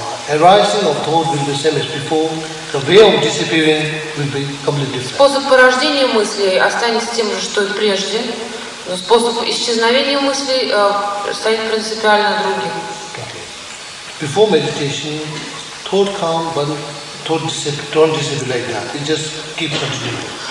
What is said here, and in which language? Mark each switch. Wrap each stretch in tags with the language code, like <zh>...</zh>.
<en>Arising of thought will be the same as before. The way of disappearing will be completely different.</en> <ru>Способ порождения мыслей останется тем же, что и прежде, но способ исчезновения мыслей станет принципиально другим.</ru> <en>Before meditation, thought comes, but don't disappear like that. It just keeps continuing.</en>